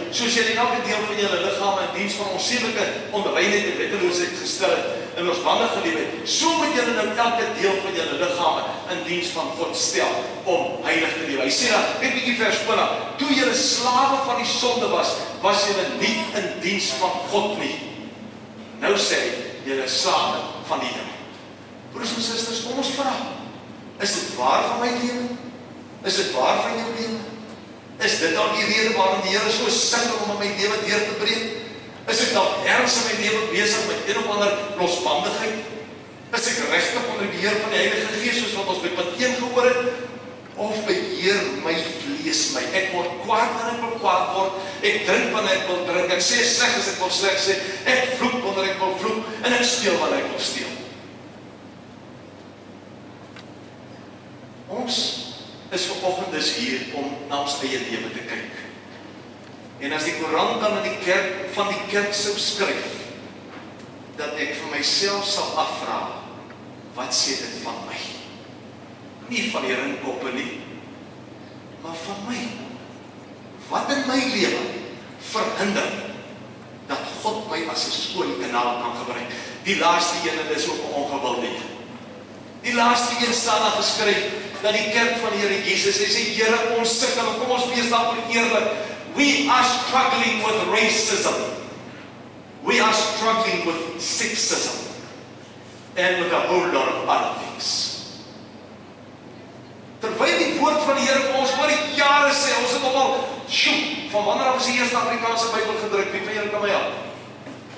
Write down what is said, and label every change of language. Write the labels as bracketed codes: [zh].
[af] Soos jy elke deel van jou liggaam in diens van ons sielike onreinheid en wetteloosheid gestel het in ons wandige lewe, so moet jy nou elke deel van jou liggaam in diens van God stel om heilig te lewe. Hy sê dan, kyk bietjie vers 20, toe jy 'n slawe van die sonde was, was jy nie in diens van God nie. Nou sê hy, jy is slawe van die Here. Broers en susters, kom ons vra, is dit waar van my lewe? Is dit waar van jou lewe? Is dit dan die rede waarom die Here so sing om in my lewe deur te breek? Is ek dan ergens in my lewe besig met een of ander losbandigheid? Is ek regtig onder die beheer van die Heilige Gees soos wat ons by punt 1 gehoor het? Of beheer my vlees my? Ek word kwaad wanneer ek wil kwaad word. Ek drink wanneer ek wil drink. Ek sê sleg as ek wil sleg sê. Ek vloek wanneer ek wil vloek. En ek steel wanneer ek wil steel. Ons is vanoggend dus hier om na ons eie lewe te kyk. En as die koerant dan in die kerk van die kerk sou skryf, dat ek vir myself sal afvra, wat sê dit van my? Nie van die ringkoppe nie, maar van my. Wat in my lewe verhinder dat God my as 'n skoon kanaal kan gebruik? Die laaste een is ook 'n ongewilde. Die laaste een staan daar geskryf dat die kerk van die Here Jesus, hy sê, Here, ons sukkel, kom ons wees daarvoor eerlik. [en] We are struggling with racism. We are struggling with sexism. And with a whole lot of other things. [af] Terwyl die woord van die Here vir ons oor die jare sê, ons het al, sjoe, van wanneer af is die eerste Afrikaanse Bybel gedruk, wie van julle kan my help?